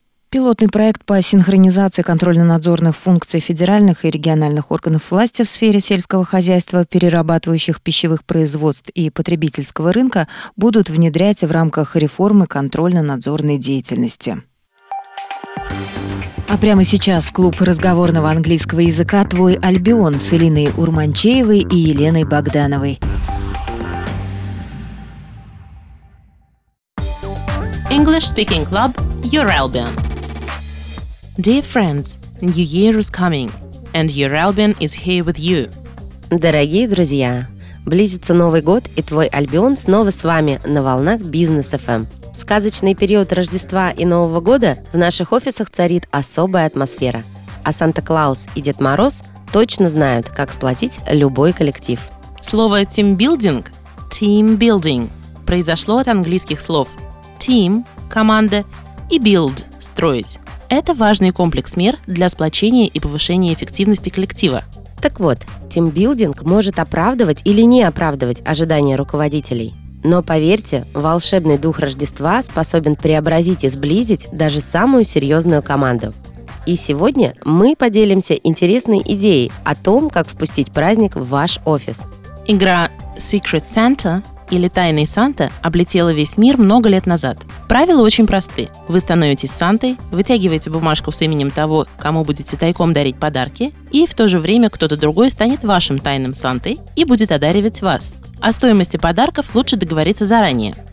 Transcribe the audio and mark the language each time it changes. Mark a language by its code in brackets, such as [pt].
[ru] Пилотный проект по синхронизации контрольно-надзорных функций федеральных и региональных органов власти в сфере сельского хозяйства, перерабатывающих пищевых производств и потребительского рынка, будут внедрять в рамках реформы контрольно-надзорной деятельности. А прямо сейчас клуб разговорного английского языка «Твой Альбион» с Элиной Урманчеевой и Еленой Богдановой. [en] English Speaking Club, Your Albion. Dear friends, New Year is coming, and your Albion is here with you. [ru] Дорогие друзья, близится Новый год, и твой Альбион снова с вами на волнах Business FM. В сказочный период Рождества и Нового года в наших офисах царит особая атмосфера, а Санта-Клаус и Дед Мороз точно знают, как сплотить любой коллектив. Слово «тимбилдинг» – «team building» произошло от английских слов «team» – «команда» и «build» – «строить». Это важный комплекс мер для сплочения и повышения эффективности коллектива. Так вот, тимбилдинг может оправдывать или не оправдывать ожидания руководителей. Но поверьте, волшебный дух Рождества способен преобразить и сблизить даже самую серьезную команду. И сегодня мы поделимся интересной идеей о том, как впустить праздник в ваш офис. Игра Secret Santa или «Тайный Санта» облетела весь мир много лет назад. Правила очень просты. Вы становитесь Сантой, вытягиваете бумажку с именем того, кому будете тайком дарить подарки, и в то же время кто-то другой станет вашим тайным Сантой и будет одаривать вас. О стоимости подарков лучше договориться заранее.